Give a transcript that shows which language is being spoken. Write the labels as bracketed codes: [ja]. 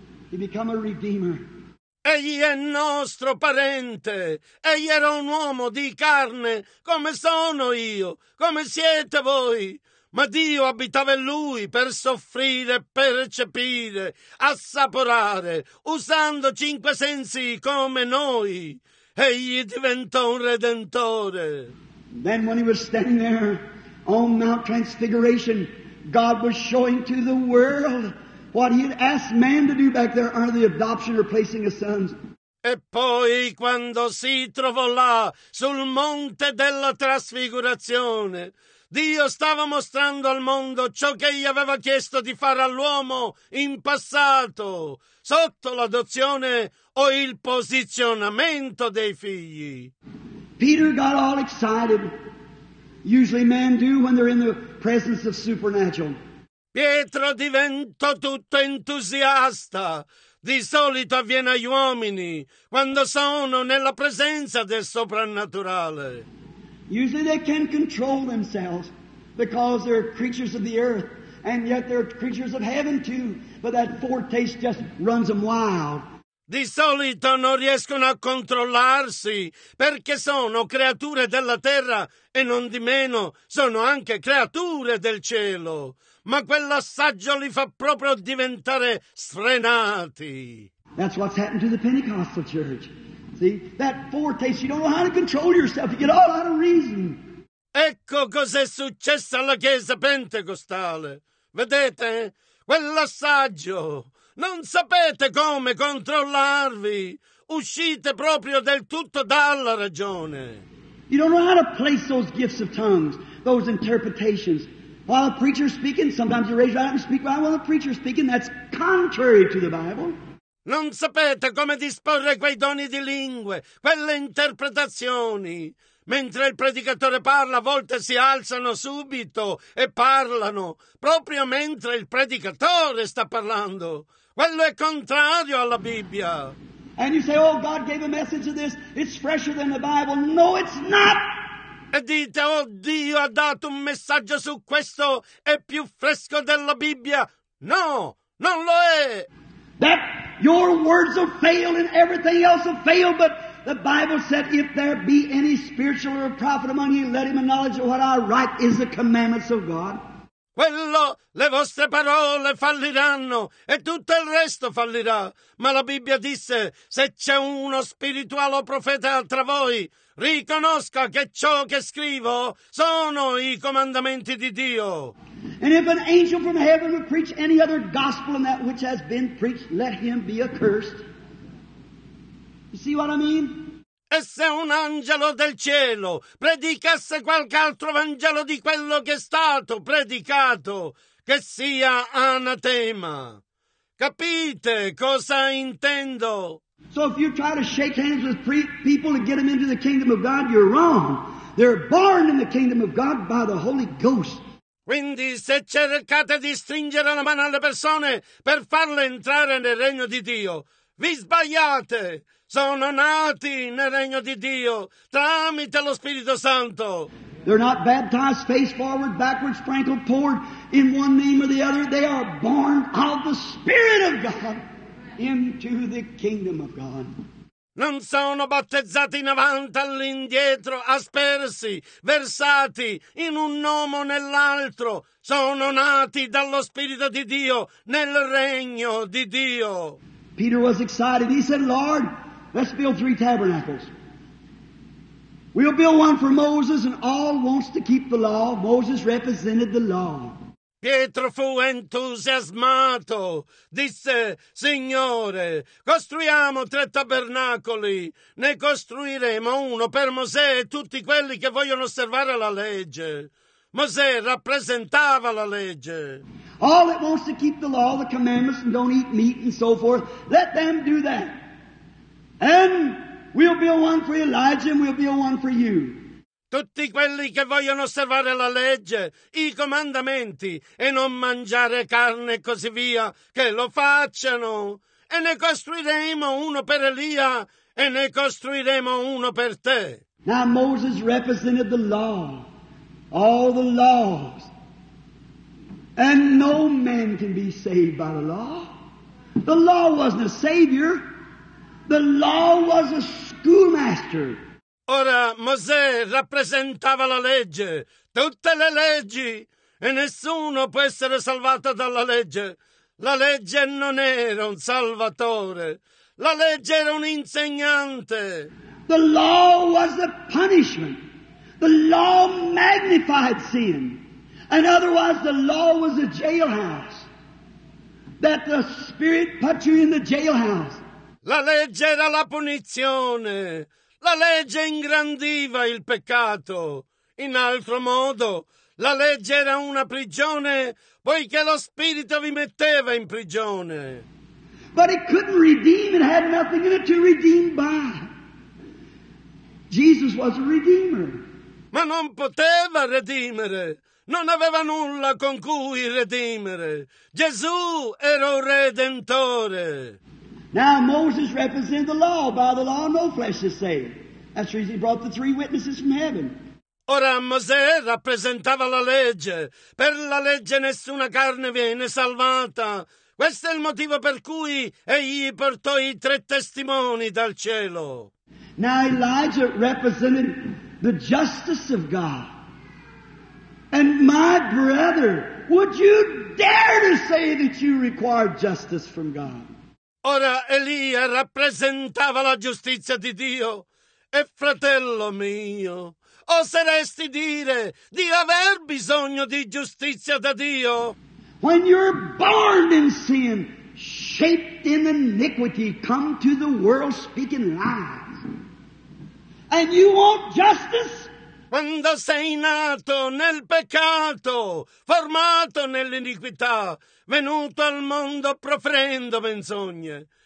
[en] He became a redeemer. [it] Egli è nostro parente. Egli era un uomo di carne, come sono io, come siete voi. Ma Dio abitava in lui per soffrire, percepire, assaporare, usando cinque sensi come noi. Egli diventò un redentore. [en] Then when he was standing there on Mount Transfiguration, God was showing to the world what he had asked man to do back there under the adoption or placing of sons. [it] E poi quando si trovò là sul monte della trasfigurazione, Dio stava mostrando al mondo ciò che gli aveva chiesto di fare all'uomo in passato, sotto l'adozione o il posizionamento dei figli. [en] Peter got all excited. Usually men do when they're in the presence of supernatural. [it] Pietro diventò tutto entusiasta. Di solito avviene agli uomini quando sono nella presenza del soprannaturale. [en] Usually they can control themselves because they're creatures of the earth, and yet they're creatures of heaven too, but that foretaste just runs them wild. [it] Di solito non riescono a controllarsi perché sono creature della terra e non di meno sono anche creature del cielo. Ma quell'assaggio li fa proprio diventare sfrenati. [en] That's what's happened to the Pentecostal church. See, that foretaste, you don't know how to control yourself, you get all out of reason. [it] Ecco cos'è successo alla chiesa pentecostale. Vedete? Quell'assaggio. Non sapete come controllarvi. Uscite proprio del tutto dalla ragione. [en] You don't know how to place those gifts of tongues, those interpretations. While a preacher's speaking, sometimes you raise your hand and speak right. While a preacher's speaking, that's contrary to the Bible. [it] Non sapete come disporre quei doni di lingue, quelle interpretazioni. Mentre il predicatore parla, a volte si alzano subito e parlano, proprio mentre il predicatore sta parlando. Quello è contrario alla Bibbia. [en] And you say, oh, God gave a message of this, it's fresher than the Bible. No, it's not! [it] E dite, oh, Dio ha dato un messaggio su questo, è più fresco della Bibbia. No, non lo è! [en] That your words will fail and everything else will fail, but the Bible said, if there be any spiritual or prophet among you, let him acknowledge what I write is the commandments of God. [it] Quello, le vostre parole falliranno e tutto il resto fallirà. Ma la Bibbia disse, se c'è uno spirituale o profeta tra voi, riconosca che ciò che scrivo sono i comandamenti di Dio. [en] And if an angel from heaven will preach any other gospel than that which has been preached, let him be accursed. You see what I mean? [it] E se un angelo del cielo predicasse qualche altro vangelo di quello che è stato predicato, che sia anatema. Capite cosa intendo? [en] So if you try to shake hands with people to get them into the kingdom of God, you're wrong. They're born in the kingdom of God by the Holy Ghost. [it] Quindi se cercate di stringere la mano alle persone per farle entrare nel regno di Dio, vi sbagliate! Sono nati nel regno di Dio tramite lo Spirito Santo. [en] They're not baptized face forward, backwards, sprinkled, poured in one name or the other. They are born of the Spirit of God into the kingdom of God. [it] Non sono battezzati in avanti, all'indietro, aspersi, versati in un nome o nell'altro. Sono nati dallo Spirito di Dio nel regno di Dio. [en] Peter was excited. He said, Lord, let's build three tabernacles. We'll build one for Moses, and all wants to keep the law. Moses represented the law. [it] Pietro fu entusiasmato. Disse, Signore, costruiamo tre tabernacoli. Ne costruiremo uno per Mosè e tutti quelli che vogliono osservare la legge. Mosè rappresentava la legge. [en] All that wants to keep the law, the commandments, and don't eat meat and so forth, let them do that. And we'll build one for Elijah and we'll build one for you. [it] Tutti quelli che vogliono osservare la legge, i comandamenti e non mangiare carne e così via, che lo facciano. E ne costruiremo uno per Elia e ne costruiremo uno per te. [en] Now Moses represented the law, all the laws. And no man can be saved by the law. The law wasn't a savior. The law was a schoolmaster. [it] Ora Mosè rappresentava la legge, tutte le leggi, e nessuno può essere salvato dalla legge. La legge non era un salvatore, la legge era un insegnante. [en] The law was a punishment. The law magnified sin. And otherwise the law was a jailhouse. That the Spirit put you in the jailhouse. [it] La legge era la punizione. La legge ingrandiva il peccato. In altro modo, la legge era una prigione poiché lo Spirito vi metteva in prigione. [en] But it couldn't redeem. It had nothing in it to redeem by. Jesus was a redeemer. [it] Ma non poteva redimere. Non aveva nulla con cui redimere. Gesù era un redentore. [en] Now Moses represented the law. By the law no flesh is saved. That's the reason he brought the three witnesses from heaven. [it] Ora Mosè rappresentava la legge. Per la legge nessuna carne viene salvata. Questo è il motivo per cui egli portò i tre testimoni dal cielo. [en] Now Elijah represented the justice of God. And my brother, would you dare to say that you require justice from God? [it] Ora Elia rappresentava la giustizia di Dio. E fratello mio, oseresti dire di aver bisogno di giustizia da Dio? [en] When you're born in sin, shaped in iniquity, come to the world speaking lies. And you want justice? [it] Quando sei nato nel peccato, formato nell'iniquità, venuto al mondo proferendo menzogne.